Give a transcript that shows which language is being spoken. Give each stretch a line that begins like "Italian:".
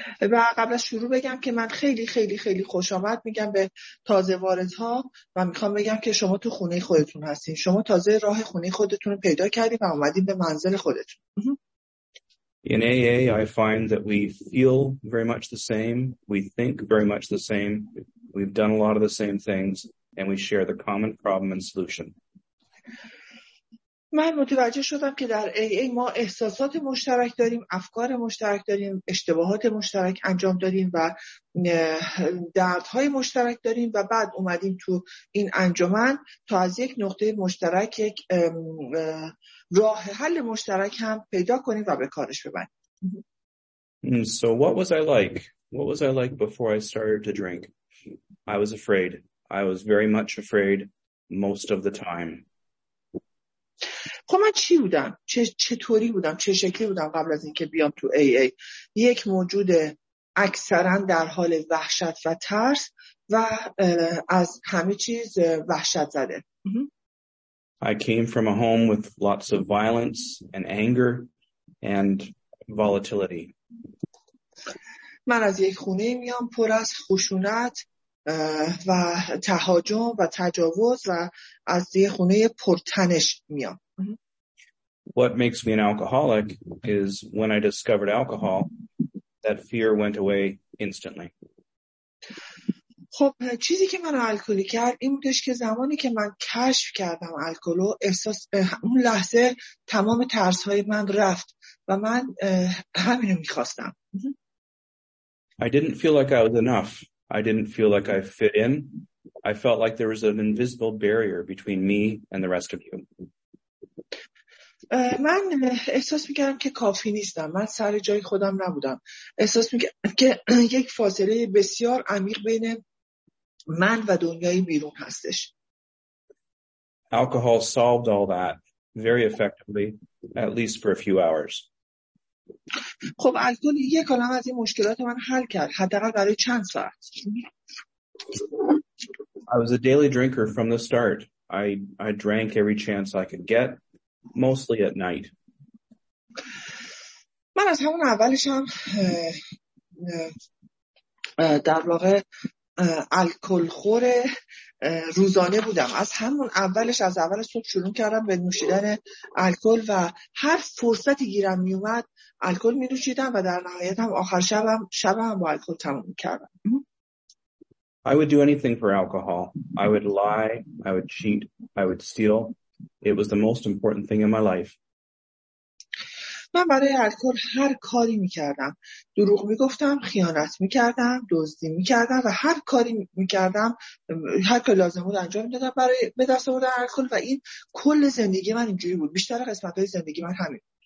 Persian: و قبل از شروع بگم که من خیلی خیلی خیلی خوش آمد میگم به تازه واردها و میخوام بگم که شما تو خونه خودتون هستین. شما تازه راه خونه خودتون رو پیدا کردین و اومدین به منزل خودتون.
English: In AA, I find that we feel very much the same. We think very much the same. We've done a lot of the same things and we share the common problem and solution.
Persian: من متوجه شدم که در AA ما احساسات مشترک داریم، افکار مشترک داریم، اشتباهات مشترک انجام داریم و دردهای مشترک داریم و بعد اومدیم تو این انجمن تا از یک نقطه مشترک یک راه حل مشترک هم پیدا کنیم و به کارش ببریم.
English: So what was I like? What was I like before I started to drink? I was afraid. I was very much afraid most of the time.
Persian: خب من چی بودم؟ چطوری بودم؟ چه شکلی بودم قبل از اینکه بیام تو AA؟ یک موجود اکثرا در حال وحشت و ترس و از همه چیز وحشت زده.
English: I came from a home with lots of violence and anger and volatility.
Persian: من از یک خونه میام پر از خشونت و تهاجم و تجاوز و از یه خونه پرتنش میام.
English: What makes me an alcoholic is when I discovered alcohol, that fear went away instantly.
Persian: خب چیزی که من الکلی کرد این بودش که زمانی که من کشف کردم الکلو احساس اون لحظه تمام ترس های من رفت و من همینو میخواستم.
English: I didn't feel like I was enough. I didn't feel like I fit in. I felt like there was an invisible barrier between me and the rest of you.
Persian: من احساس می‌کردم که کافی نیستم. من سر جای خودم نبودم. احساس می‌کردم که یک فاصله بسیار عمیق بین من و دنیای بیرون هستش.
English: Alcohol solved all that very effectively, at least for a few hours.
Persian: خب الکل یک کلام از این مشکلات من حل کرد حداقل برای چند ساعت.
English: I was a daily drinker from the start. I drank every chance I could get, mostly at night.
Persian: من از همون اولش هم در واقع الکل خور روزانه بودم. از همون اولش از اول صبح شروع کردم به نوشیدن الکل و هر فرصتی گیرم می اومد الکل می نوشیدم و در نهایت هم آخر شبم با الکل تموم می کردم.
English: I would do anything for alcohol. I would lie, I would cheat, I would steal. It was the most important thing in my life.
Persian: من برای الکل هر کاری می کردم. دروغ می گفتم، خیانت می کردم، دزدی می کردم و هر کاری می کردم، هر کاری لازم بود انجام می دادم برای به دست آوردن الکل و این کل زندگی من اینجوری بود. بیشتر قسمت های زندگی من همین.